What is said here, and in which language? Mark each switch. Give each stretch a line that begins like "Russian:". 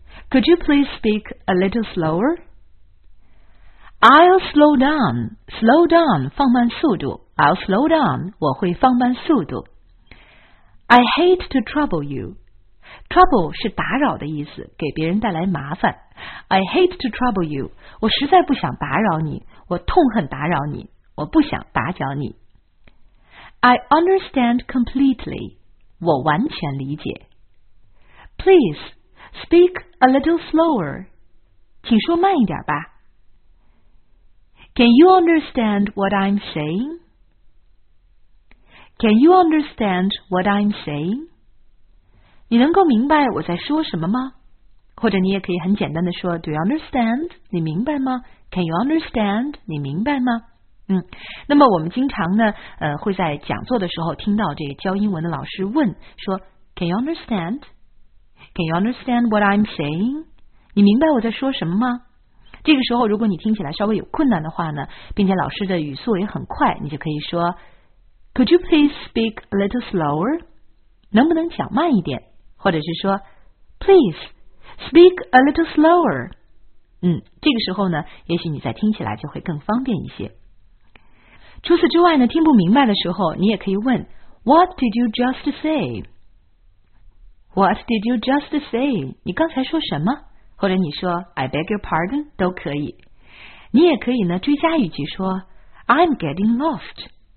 English: Could you please speak a little slower? I'll slow down. Slow down,
Chinese: 放慢速度。
English: I'll slow down,
Chinese: 我会放慢速度。
English: I hate to trouble you.
Chinese: Trouble 是打扰的意思，给别人带来麻烦。
English: I hate to trouble you.
Chinese: 我实在不想打扰你，我痛恨打扰你，我不想打搅你。
English: I understand completely.
Chinese: 我完全理解。
English: Please, speak a little slower.
Chinese: 请说慢一点吧。
English: Can you understand what I'm saying? Can you understand what I'm saying?
Chinese: 你能够明白我在说什么吗？或者你也可以很简单的说
English: Do you understand?
Chinese: 你明白吗？
English: Can you understand?
Chinese: 你明白吗？那么我们经常呢会在讲座的时候听到这个教英文的老师问说
English: Can you understand? Can you understand what I'm saying?
Chinese: 你明白我在说什么吗？这个时候如果你听起来稍微有困难的话呢，并且老师的语速也很快，你就可以说
English: Could you please speak a little slower?
Chinese: 能不能讲慢一点？或者是说
English: Please speak a little slower.
Chinese: 这个时候呢，也许你在听起来就会更方便一些。除此之外呢，听不明白的时候，你也可以问
English: What did you just say? What did you just say?
Chinese: 你刚才说什么？或者你说
English: I beg your pardon
Chinese: 都可以，你也可以呢追加一句说
English: I'm getting lost.